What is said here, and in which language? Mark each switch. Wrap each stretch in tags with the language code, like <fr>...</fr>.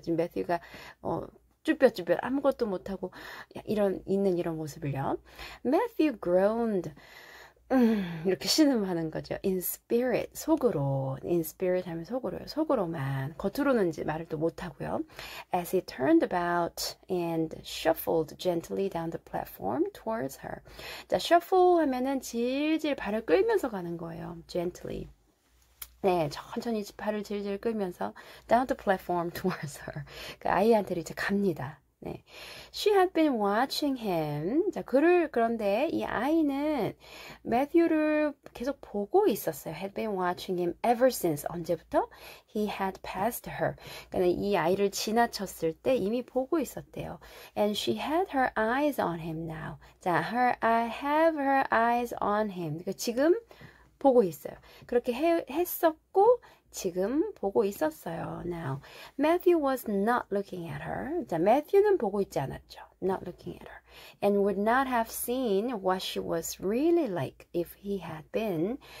<ko>지금 매튜가 쭈뼛쭈뼛 아무것도 못하고 있는 이런 모습을요.</ko> <en>Matthew groaned.</en> <ko>이렇게 신음하는 거죠.</ko> <en>In spirit,</en> <ko>속으로. In spirit 하면 속으로요. 속으로만. 겉으로는 이제 말을 또 못하고요.</ko> <en>As he turned about and shuffled gently down the platform towards her.</en> <ko>자, shuffle 하면은 질질 발을 끌면서 가는 거예요.</ko> <en>Gently.</en> <ko>네, 천천히 발을 질질 끌면서</ko> <en>down the platform towards her.</en> <ko>그 아이한테 이제 갑니다.</ko> <en>네. She had been watching him.</en> <ko>자, 그런데 이 아이는 매튜를 계속 보고 있었어요.</ko> <en>Had been watching him ever since.</en> <ko>언제부터?</ko> <en>He had passed her.</en> <ko>그러니까 이 아이를 지나쳤을 때 이미 보고 있었대요.</ko> <en>And she had her eyes on him now. 자, I have her eyes on him.</en> <ko>그러니까 지금 보고 있어요. 그렇게 했었고, 지금 보고 있었어요.</ko> <en>Now, Matthew was not looking at her.</en> <ko>자, 매튜는 보고 있지 않았죠.</ko> <en>Not looking at her. And would not have seen what she was really like if he had been.</en>